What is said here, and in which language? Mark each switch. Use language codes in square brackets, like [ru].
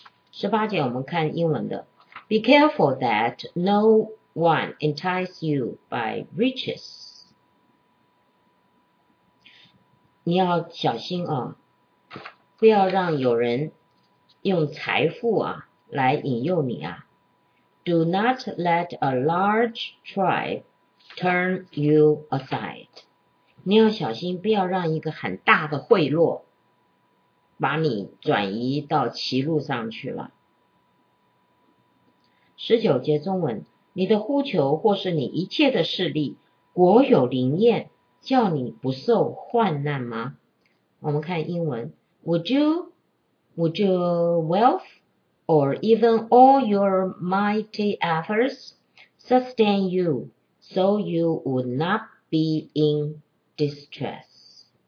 [zh] 18节我们看英文的， [en] Be careful that no one entice you by riches. [zh] 你要小心啊，不要让有人用财富啊来引诱你啊。 [en] Do not let a large tribe turn you aside. [zh] 你要小心，不要让一个很大的贿赂把你转移到歧路上去了。 19节中文，你的呼求或是你一切的势力，果有灵验叫你不受患难吗？我们看英文， [en] Would your wealth or even all your mighty efforts sustain you so you would not be in distress?